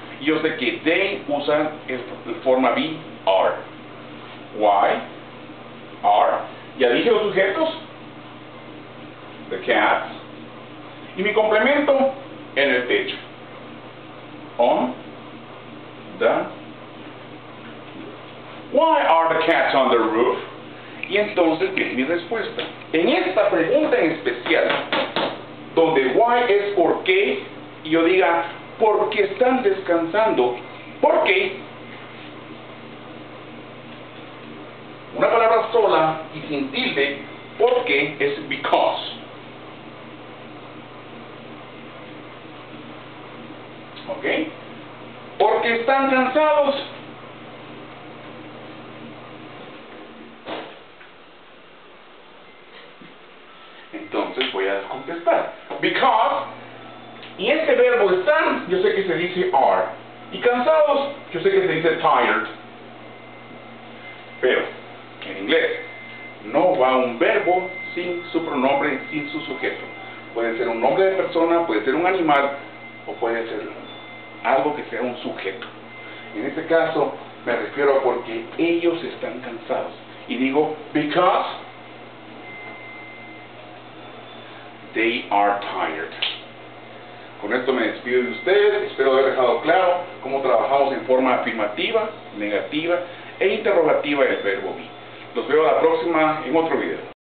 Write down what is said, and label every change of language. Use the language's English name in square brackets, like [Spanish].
[Spanish] Yo sé que they usan esta forma be, are. Why? Are. ¿Ya dije los sujetos? The cats. Y mi complemento, en el techo. [English] On the... Why are the cats on the roof? [Spanish] Y entonces, ¿qué es mi respuesta? En esta pregunta en especial, donde why es por qué, y yo diga, porque están descansando. ¿Por qué? Una palabra sola y sin tilde, porque es because. ¿Ok? Porque están cansados. Entonces voy a contestar. Because. Y este verbo están, yo sé que se dice are. Y cansados, yo sé que se dice tired. Pero, en inglés, no va un verbo sin su pronombre, sin su sujeto. Puede ser un nombre de persona, puede ser un animal, o puede ser algo que sea un sujeto. En este caso, me refiero a porque ellos están cansados. Y digo, [English] because they are tired. [Spanish] Con esto me despido de ustedes, espero haber dejado claro cómo trabajamos en forma afirmativa, negativa e interrogativa el verbo be. Los veo la próxima en otro video.